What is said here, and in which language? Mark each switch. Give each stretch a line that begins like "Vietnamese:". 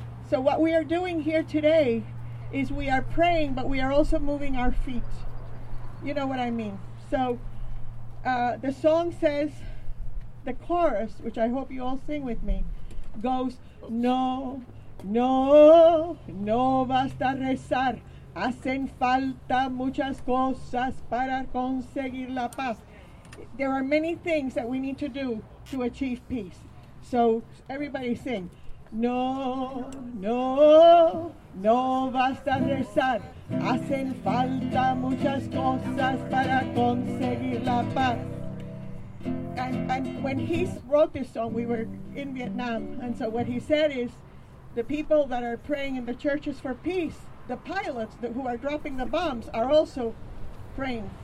English: So what we are doing here today is we are praying, but we are also moving our feet. You know what I mean. So the song says, the chorus, which I hope you all sing with me, goes,
Spanish: no, no, no basta rezar. Hacen falta muchas cosas para conseguir la paz.
English: There are many things that we need to do to achieve peace. So everybody sing.
Spanish: No, no, no basta rezar. Hacen falta muchas cosas para conseguir la paz.
English: And when he wrote this song, we were in Vietnam. And so what he said is, the people that are praying in the churches for peace, the pilots who are dropping the bombs are also praying.